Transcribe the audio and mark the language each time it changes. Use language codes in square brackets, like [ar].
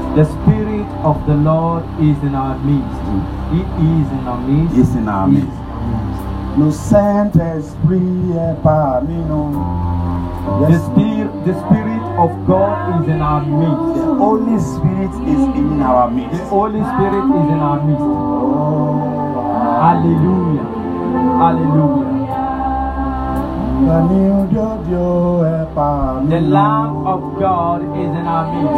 [en] The Spirit of the Lord is in our midst. He is in our midst. He's in our midst. [fr] No Saint Esprit est parmi nous. [en] The Spirit of God is in our midst. The Holy Spirit is in our midst. The Holy Spirit is in our midst. Hallelujah. Hallelujah. The Lamb of God is in our midst.